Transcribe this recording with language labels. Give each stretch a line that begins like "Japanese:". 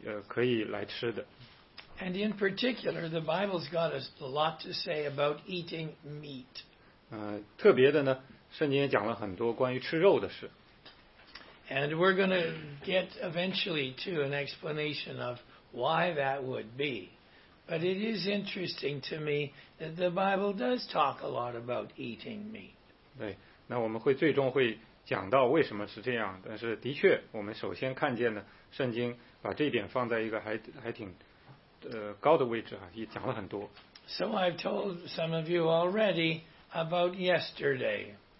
Chinese: 借着这个告诉我们什么，之后我们会拓展一下应用，来看我们在食物上是怎么可以来吃的。
English: And in particular, the Bible's got us a lot to say about eating meat.
Chinese: 特别的呢，圣经也讲了很多关于吃肉的事。
English: And we're going to get eventually to an explanation of why that would be. But it is interesting to me that the Bible does talk a lot about eating meat.
Chinese: 对，那我们会最终会讲到为什么是这样。但是的确，我们首先看见呢，圣经把这点放在一个还挺高的位置啊，也讲了很多。
English: So I've told some of you already about yesterday.